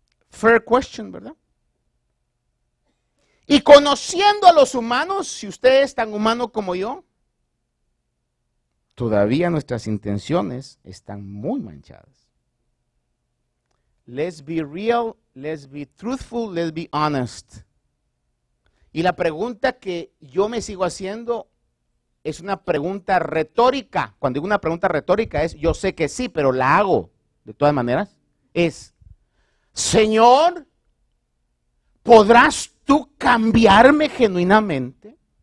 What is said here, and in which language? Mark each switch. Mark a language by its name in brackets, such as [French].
[English] Fair question, ¿verdad? [Spanish] Y conociendo a los humanos, si usted es tan humano como yo, todavía nuestras intenciones están muy manchadas. [English] Let's be real, let's be truthful, let's be honest. [Spanish] Y la pregunta que yo me sigo haciendo es una pregunta retórica. Cuando digo una pregunta retórica es, yo sé que sí, pero la hago de todas maneras. Es, Señor, ¿podrás tú cambiarme genuinamente?